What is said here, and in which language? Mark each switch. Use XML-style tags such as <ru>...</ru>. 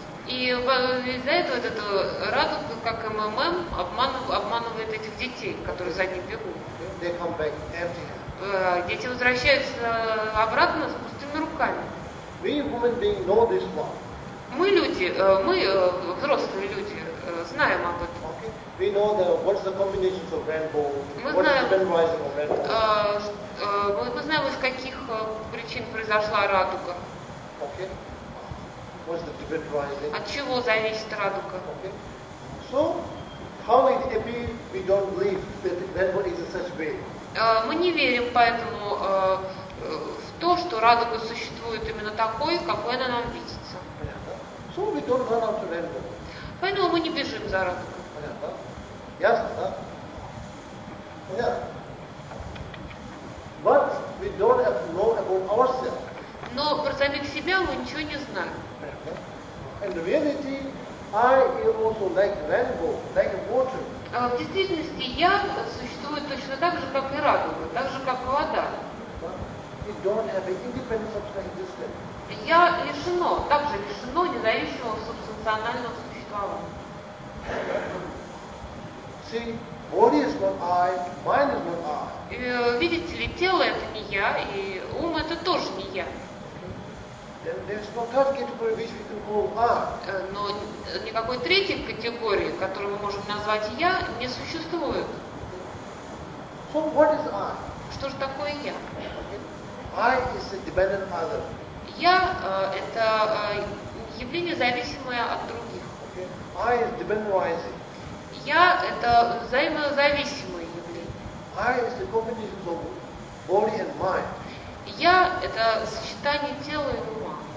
<ru>И из-за этого вот эта радуга, как МММ, обманывает этих детей, которые за ним бегут.</ru> <en>They come back empty.</en> <ru>Дети возвращаются обратно с пустыми руками.</ru> <en>We human beings know this one.</en> <ru>Мы люди, мы взрослые люди, знаем об этом.</ru> <en>Okay. We know the what's the combinations of rainbow, what's the rising of rainbow.</en> <ru>Мы знаем, из каких причин произошла радуга.</ru> <en>Okay. What's the different rising?</en> <ru>От чего зависит радуга?</ru> <en>Okay. So, how it appears, we don't believe that rainbow is in such way.</en> <ru>Мы не верим поэтому в то, что радуга существует именно такой, какой она нам видится. Понятно.</ru> <en>So we don't run after rainbow.</en> <ru>Поэтому мы не бежим за радугой. Ясно, да? Понятно.</ru> <en>But we don't have to know about ourselves.</en> <ru>Но про самих себя мы ничего не знаем.</ru> <en>In reality, I am also like rainbow, like water.</en> <ru>В действительности я существую точно так же, как и радуга, так же, как и вода.</ru> <en>We don't have an independent substance existence.</en> <ru>Я лишено, также лишено независимого субстанционального существования.</ru> <en>Body is not I, mind is not I.</en> <ru>Видите ли, тело это не я, и ум это тоже не я. Но никакой третьей категории, которую мы можем назвать я, не существует.</ru> <en>So what is I?</en> <ru>Что же такое я?</ru> <en>I is a dependent other.</en> <ru>Я это явление зависимое от других.</ru> <en>I is dependent.</en> <ru>Я это взаимозависимое явление.</ru> <en>I is the combination of body and mind.</en> <ru>Я это сочетание тела и ума.</ru>